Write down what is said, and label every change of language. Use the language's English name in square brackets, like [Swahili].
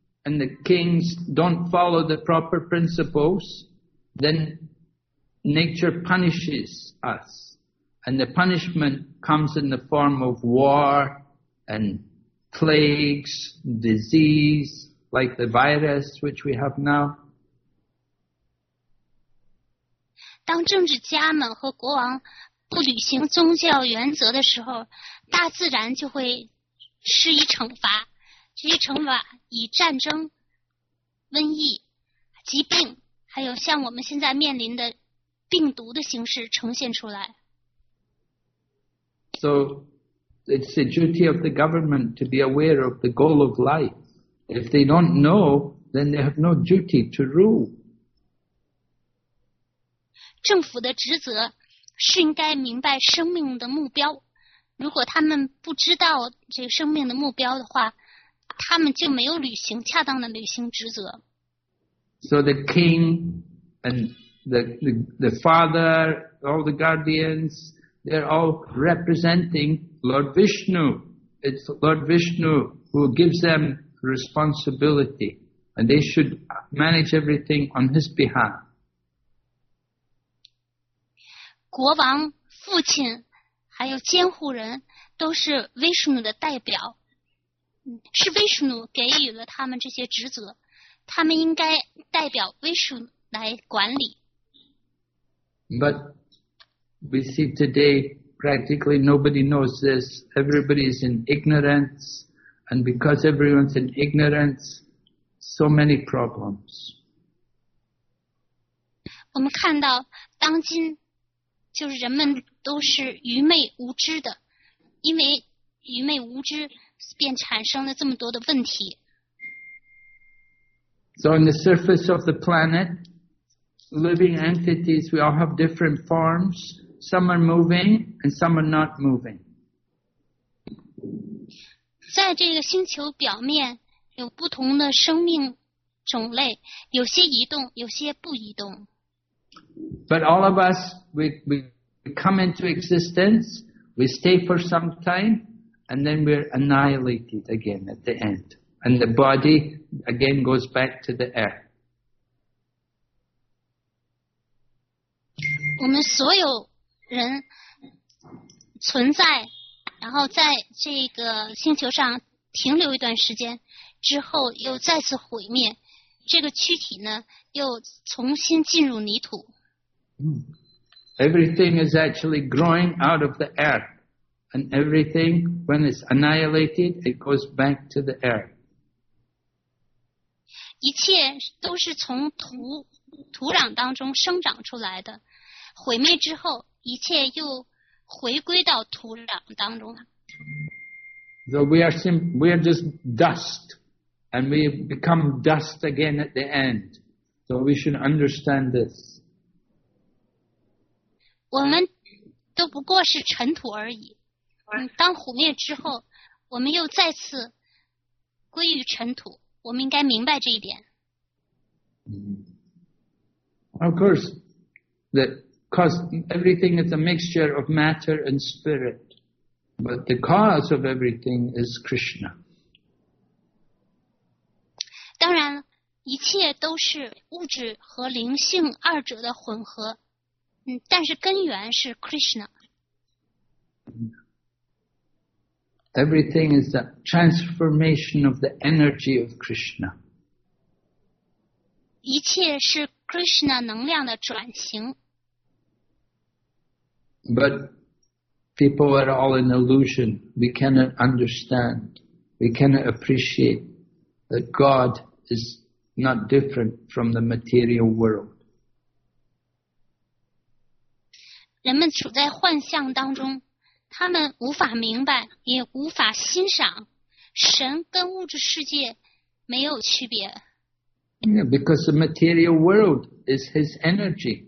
[English] And the kings don't follow the proper principles, then nature punishes us. And the punishment comes in the form of war and plagues, disease, like the virus which we have now. [Chinese] 当政治家们和国王不履行宗教原则的时候，大自然就会施以惩罚。这些惩罚以战争、瘟疫、疾病，还有像我们现在面临的病毒的形式呈现出来。 [English] So it's the duty of the government to be aware of the goal of life. If they don't know, then they have no duty to rule. [Chinese] 政府的职责是应该明白生命的目标，如果他们不知道这个生命的目标的话，他们就没有履行恰当的履行职责。 [English] So the king and the father, all the guardians, they're all representing Lord Vishnu. It's Lord Vishnu who gives them responsibility, and they should manage everything on his behalf. [Chinese] 国王、父亲还有监护人都是 Vishnu 的代表，是 Vishnu 给予了他们这些职责，他们应该代表 Vishnu 来管理。 [English] But we see today practically nobody knows this. Everybody is in ignorance, and because everyone's in ignorance, so many problems. [Chinese] 我们看到当今就是人们都是愚昧无知的，因为愚昧无知便产生了这么多的问题。 [English] So on the surface of the planet, living entities, we all have different forms. Some are moving and some are not moving. [Chinese] 在这个星球表面有不同的生命种类，有些移动，有些不移动。 [English] But all of us, we come into existence, we stay for some time, and then we're annihilated again at the end. And the body again goes back to the earth. [Chinese] 我们所有人存在，然后在这个星球上停留一段时间，之后又再次毁灭，这个躯体呢，又重新进入泥土。 [English] Everything is actually growing out of the earth, and everything, when it's annihilated, it goes back to the earth. [Chinese] 一切都是从土壤当中生长出来的，毁灭之后，一切又回归到土壤当中了。 [English] So we are just dust, and we become dust again at the end. So we should understand this. [Chinese] 我们都不过是尘土而已。当毁灭之后，我们又再次归于尘土。我们应该明白这一点。 [English] Of course, that cause everything is a mixture of matter and spirit, but the cause of everything is Krishna. [Chinese] 当然，一切都是物质和灵性二者的混合。但是根源是 Krishna. [English] Everything is a transformation of the energy of Krishna. [Chinese] 一切是 Krishna 能量的转型。 [English] But people are all an illusion. We cannot understand. We cannot appreciate that God is not different from the material world. [Chinese] 人们处在幻象当中，他们无法明白，也无法欣赏，神跟物质世界没有区别。 [English] Yeah, because the material world is his energy.